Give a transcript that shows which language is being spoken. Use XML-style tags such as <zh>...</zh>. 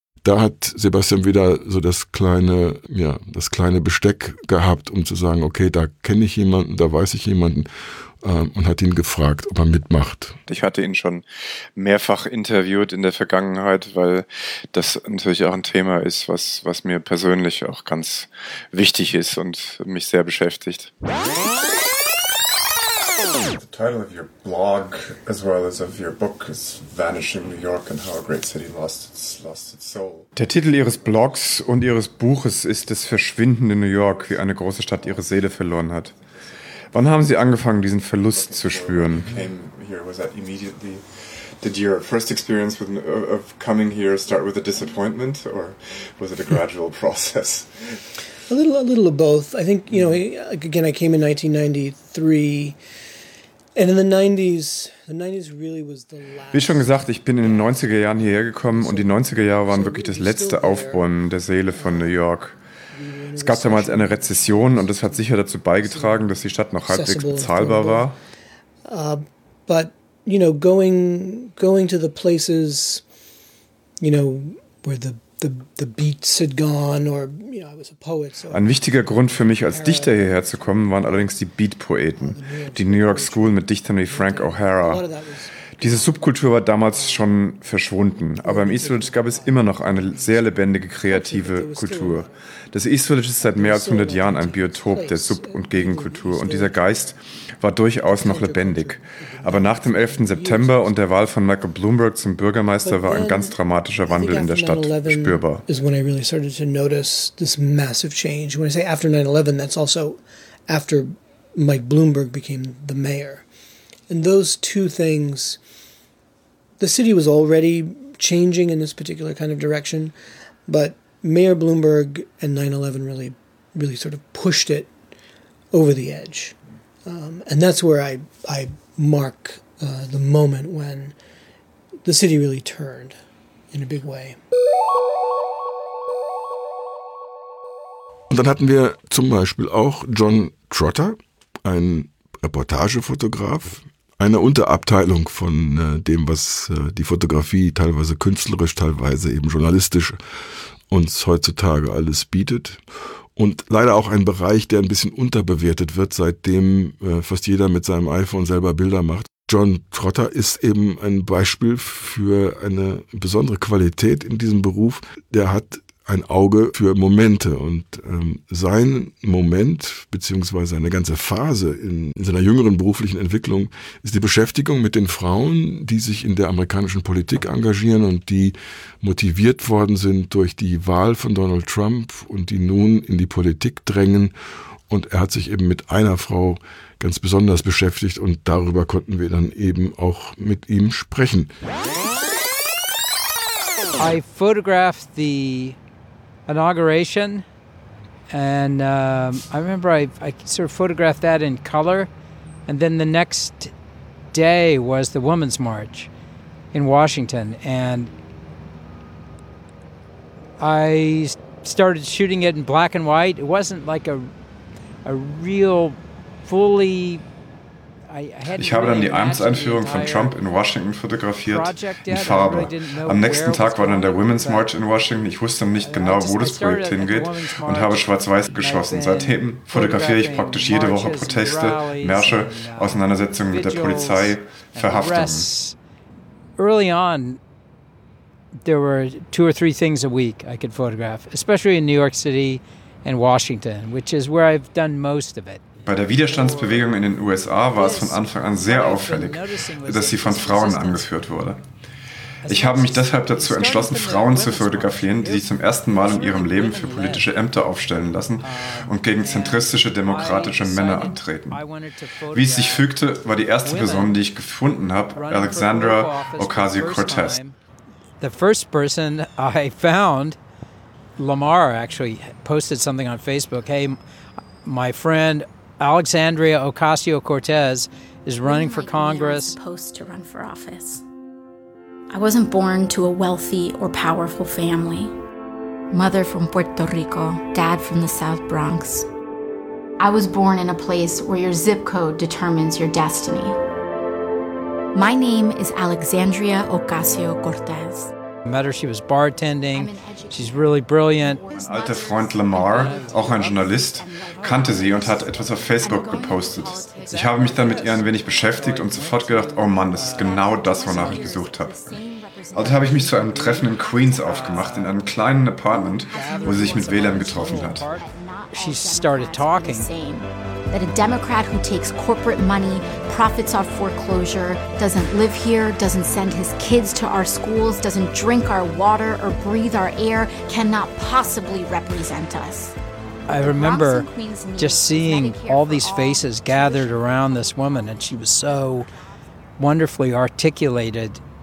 <de>Da hat Sebastian wieder so das kleine Besteck gehabt, um zu sagen, okay, da kenne ich jemanden, da weiß ich jemanden, und hat ihn gefragt, ob er mitmacht. Ich hatte ihn schon mehrfach interviewt in der Vergangenheit, weil das natürlich auch ein Thema ist, was mir persönlich auch ganz wichtig ist und mich sehr beschäftigt.</de> <en>The title of your blog, as well as of your book, is "Vanishing New York and How a Great City Lost its Soul."</en> <de>Der Titel Ihres Blogs und Ihres Buches ist "Das verschwindende New York, wie eine große Stadt ihre Seele verloren hat." Wann haben Sie angefangen, diesen Verlust zu spüren?</de> <en>Came here, was that immediately? Did your first experience of coming here start with a disappointment, or was it a gradual process? A little of both. I think, you know, again, I came in 1993. And in the 90s really was the last.</en> <de>Wie schon gesagt, ich bin in den 90er Jahren hierher gekommen und die 90er Jahre waren wirklich das letzte Aufbäumen der Seele von New York. Es gab damals eine Rezession und das hat sicher dazu beigetragen, dass die Stadt noch halbwegs bezahlbar war.</de> <en>But you know, going to the places, you know, where the beats had gone, or, you know, I was a poet, so.</en> <de>Ein wichtiger Grund für mich, als Dichter hierher zu kommen, waren allerdings die Beat-Poeten, die New York School mit Dichtern wie Frank O'Hara. Diese Subkultur war damals schon verschwunden, aber im East Village gab es immer noch eine sehr lebendige, kreative Kultur. Das East Village ist seit mehr als 100 Jahren ein Biotop der Sub- und Gegenkultur und dieser Geist war durchaus noch lebendig. Aber nach dem 11. September und der Wahl von Michael Bloomberg zum Bürgermeister war ein ganz dramatischer Wandel in der Stadt spürbar.</de> <en>Is when I really started to notice this massive change. When I say after 9/11, that's also after Mike Bloomberg became the mayor. And those two things, the city was already changing in this particular kind of direction, but Mayor Bloomberg and 9/11 really, really sort of pushed it over the edge. And that's where I mark the moment when the city really turned in a big way.</en> <de>Und dann hatten wir zum Beispiel auch John Trotter, ein Reportagefotograf, eine Unterabteilung von dem, was die Fotografie teilweise künstlerisch, teilweise eben journalistisch uns heutzutage alles bietet. Und leider auch ein Bereich, der ein bisschen unterbewertet wird, seitdem fast jeder mit seinem iPhone selber Bilder macht. John Trotter ist eben ein Beispiel für eine besondere Qualität in diesem Beruf. Der hat ein Auge für Momente und sein Moment bzw. eine ganze Phase in seiner jüngeren beruflichen Entwicklung ist die Beschäftigung mit den Frauen, die sich in der amerikanischen Politik engagieren und die motiviert worden sind durch die Wahl von Donald Trump und die nun in die Politik drängen. Und er hat sich eben mit einer Frau ganz besonders beschäftigt und darüber konnten wir dann eben auch mit ihm sprechen.</de> <en>I photographed the inauguration, and I remember I sort of photographed that in color, and then the next day was the Women's March in Washington, and I started shooting it in black and white. It wasn't like a real fully.</en> <de>Ich habe dann die Amtseinführung von Trump in Washington fotografiert, in Farbe. Am nächsten Tag war dann der Women's March in Washington. Ich wusste nicht genau, wo das Projekt hingeht und habe schwarz-weiß geschossen. Seitdem fotografiere ich praktisch jede Woche Proteste, Märsche, Auseinandersetzungen mit der Polizei, Verhaftungen.</de> <en>Early on, there were two or three things a week I could photograph, especially in New York City and Washington, which is where I've done most of it.</en> <de>Bei der Widerstandsbewegung in den USA war es von Anfang an sehr auffällig, dass sie von Frauen angeführt wurde. Ich habe mich deshalb dazu entschlossen, Frauen zu fotografieren, die sich zum ersten Mal in ihrem Leben für politische Ämter aufstellen lassen und gegen zentristische demokratische Männer antreten. Wie es sich fügte, war die erste Person, die ich gefunden habe, Alexandra Ocasio-Cortez.</de> <en>The first person I found, Lamar actually posted something on Facebook, hey, my friend Alexandria Ocasio-Cortez is running for Congress. I was supposed to run for office. I wasn't born to a wealthy or powerful family. Mother from Puerto Rico, dad from the South Bronx. I was born in a place where your zip code determines your destiny. My name is Alexandria Ocasio-Cortez. I met her, she was bartending. She's really brilliant.</en> <de>Mein alter Freund Lamar, auch ein Journalist, kannte sie und hat etwas auf Facebook gepostet. Ich habe mich dann mit ihr ein wenig beschäftigt und sofort gedacht, oh Mann, das ist genau das, wonach ich gesucht habe. Also habe ich mich zu einem Treffen in Queens aufgemacht, in einem kleinen Apartment, wo sie sich mit Wählern getroffen hat.</de> <en>She started talking. That a Democrat who takes corporate money, profits off foreclosure, doesn't live here, doesn't send his kids to our schools, doesn't drink our water or breathe our air, cannot possibly represent us. I remember just seeing all these faces gathered around this woman, and she was so wonderfully articulated.</en>